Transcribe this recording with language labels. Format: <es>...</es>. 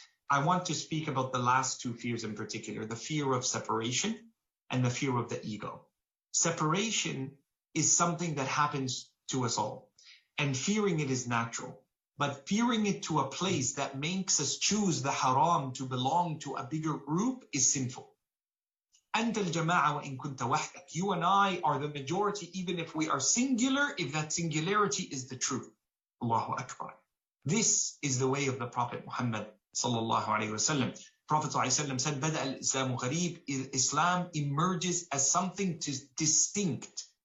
<en>I want to speak about the last two fears in particular, the fear of separation and the fear of the ego. Separation is something that happens to us all, and fearing it is natural. But fearing it to a place that makes us choose the haram to belong to a bigger group is sinful.</en> <ar>أنت الجماعة وإن كنت وحدك.</ar> <en>You and I are the majority, even if we are singular, if that singularity is the truth. Allahu Akbar. This is the way of the Prophet Muhammad sallallahu alayhi wa sallam. Prophet sallallahu alayhi wa sallam said,</en> <ar>بدأ الإسلام غريب.</ar> <en>Islam emerges as something distinct.</en>